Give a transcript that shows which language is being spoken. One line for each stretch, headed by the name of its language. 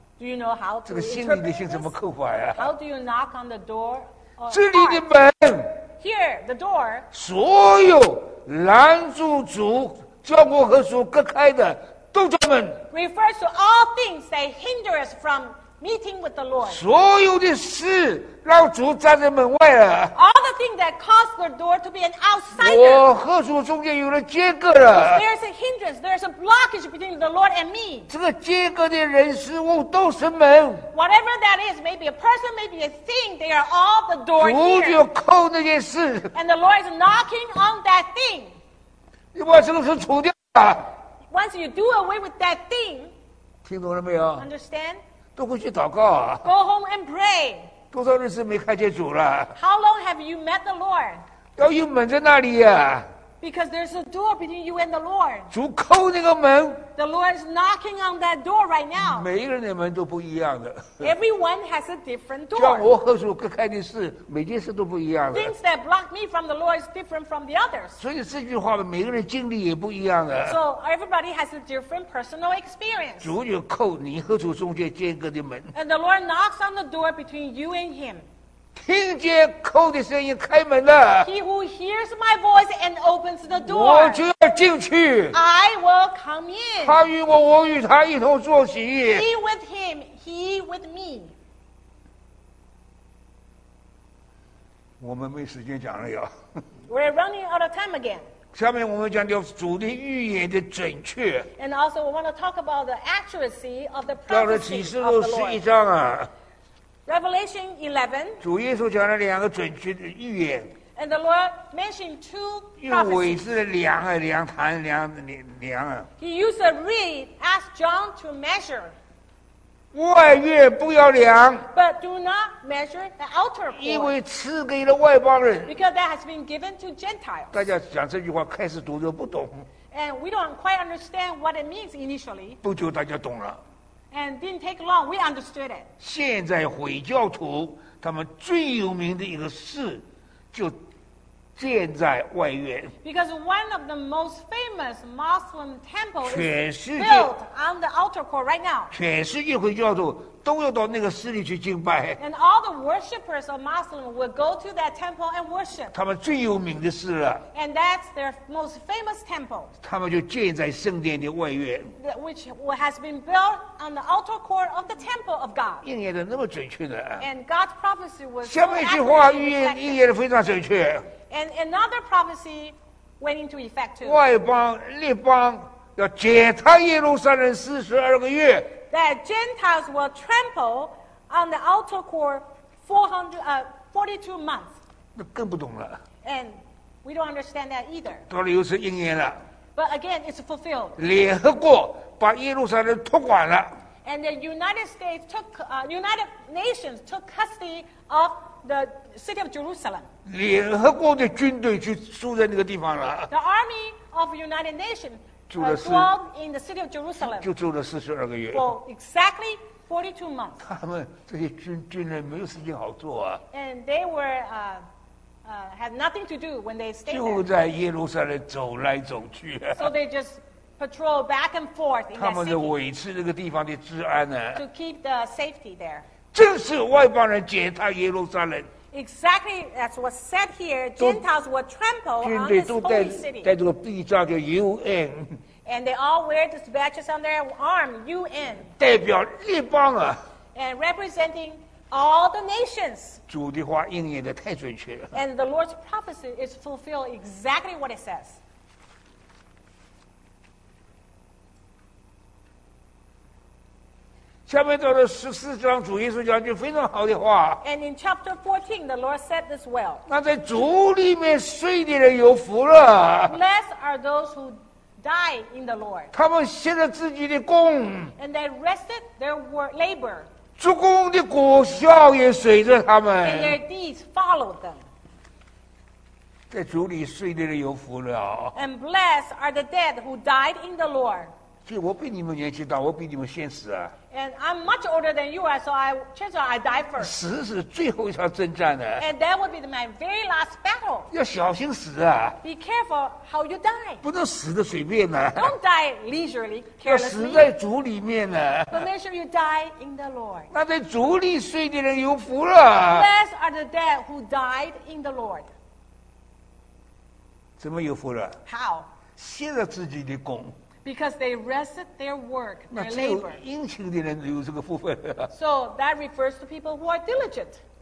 English: ？Do you know how?
Chinese: 这个心里的心怎么扣法呀
English: ？How do you knock on the door?
Chinese: 这里的门。
English: Here the door.
Chinese: 所有拦住主叫我和主隔开的都叫门。
English: Refers to all things that hinder us from meeting with the Lord.
Chinese: 所有的事让主站在门外了。
English: Thing that caused the door to be an outsider.
Chinese: 我和主中间有了间隔了。
English: There is a hindrance. There is a blockage between the Lord and me.
Chinese: 这个间隔的人事物都是门。
English: Whatever that is, maybe a person, maybe a thing, they are all the door here.
Chinese: 主就扣那件事。
English: And the Lord is knocking on that thing.
Chinese: 你把这个事除掉了。
English: Once you do away with that thing,
Chinese: 听懂了没有
English: ？Understand?
Chinese: 都回去祷告啊。
English: Go home and pray.
Chinese: 多少日子没看见主了
English: ？How long have you met the Lord？
Chinese: 要有门在那里呀、啊。
English: Because there's a door between you and the Lord。
Chinese: 主叩那个门。
English: The Lord is knocking on that door right now。
Chinese: 每一个人的门都不一样的。
English: Everyone has a different door。
Chinese: 叫我和主隔开的事，每件事都不一样的。
English: Things that block me from the Lord is different from the others。
Chinese: 所以这句话呢，每个人经历也不一样的。
English: So everybody has a different personal experience。
Chinese: 主就叩你和主中间间隔的门。
English: And the Lord knocks on the door between you and Him。
Chinese: 听见叩的声音开门了。
English: He who hears my voice and opens the door，
Chinese: 我就要进去。
English: I will come in。
Chinese: 他与我，我与他一同坐席。
English: He with him, he with me。
Chinese: 我们没时间讲了呀。
English: We're running out of time again。
Chinese: 下面我们讲到主的预言的准确。
English: And also, we want to talk about the accuracy of the prophecy of the Lord。
Chinese: 到了启示录十一章啊。
English: Revelation 11.
Chinese: 主耶稣讲了两个准确的预言。
English: And the Lord mentioned two prophecies.
Chinese: 用苇子量啊，量坛，量啊。
English: He used a reed, asked John to measure.
Chinese: 外月不要量。
English: But do not measure the outer court.
Chinese: 因为赐给了外邦人。
English: Because that has been given to Gentiles.
Chinese: 大家讲这句话开始读就不懂。
English: And we don't quite understand what it means initially.
Chinese: 不久大家懂了。
English: And didn't take long, we understood it.
Chinese: 现在回教徒他们最有名的一个事就建在外院。
English: Because one of the most famous Muslim temples is built on the outer court right now.
Chinese: 全世界回教徒都要到那个寺里去敬拜。
English: And all the worshippers of Muslim will go to that temple and worship.
Chinese: 他们最有名的寺了。
English: And that's their most famous temple.
Chinese: 他们就建在圣殿的外院。
English: Which has been built on the outer court of the temple of God.
Chinese: 应验的那么准确的。
English: And God's prophecy was.
Chinese: 下面一句话应验的非常准确。
English: And another prophecy went into effect too.
Chinese: 外邦列邦要践踏耶路撒冷四十二个月。
English: That Gentiles will trample on the outer court 42 months.
Chinese: 那更不懂了。
English: And we don't understand that either.
Chinese: 到了又是应验了。
English: But again, it's fulfilled.
Chinese: 联合国把耶路撒冷托管了。
English: And the United States took, United Nations took custody of the city of Jerusalem.
Chinese: 联合国的军队就住在那个地方了。
English: The army of United Nations. Dwelled in the city of Jerusalem.
Chinese: 就住了四十二个月。
English: For exactly 42 months.
Chinese: 他们这些军人没有事情好做啊。
English: And they were had nothing to do when they stayed.
Chinese: 就在耶路撒冷走来走去。
English: So they just patrol back and forth in that city.
Chinese: 他们是维持那个地方的治安呢。
English: To keep the safety there.
Chinese: 正是外邦人践踏耶路撒冷。
English: Exactly, that's what's said here. Gentiles were trampled on this holy city.
Chinese: 带着臂章叫 UN.
English: And they all wear these badges on their arm, UN.
Chinese: 代表列邦啊。
English: And representing all the nations.
Chinese: 主的话应验的太准确了。
English: And the Lord's prophecy is fulfilled exactly what it says.
Chinese: 下面到了十四章，主耶稣讲句非常好的话。
English: And in chapter 14, the Lord said this well.
Chinese: 那在主里面睡的人有福了。
English: Blessed are those who die in the Lord.
Chinese: 他们歇了自己的工。
English: And they rested their work, labor.
Chinese: 做工的果效也随着他们。
English: And their deeds followed them.
Chinese: 在主里睡的人有福了。
English: And blessed are the dead who died in the Lord.
Chinese: 我比你们年纪大，我比你们先死啊。
English: And I'm much older than you are, so I, chances are I die first.
Chinese: 死是最后一场征战的。
English: And that would be my very last battle.
Chinese: 要小心死啊。
English: Be careful how you die.
Chinese: 不能死的随便呢。
English: Don't die leisurely, carelessly.
Chinese: 要死在主里面呢。
English: But make sure you die in the Lord.
Chinese: 那在主里睡的人有福了。
English: Blessed are the dead who died in the Lord.
Chinese: 怎么有福了？
English: How?
Chinese: 歇了自己的功。
English: Because they rested their work, their labor.
Chinese: 那只有殷勤的人有这个福分。
English: So that refers to people who are diligent.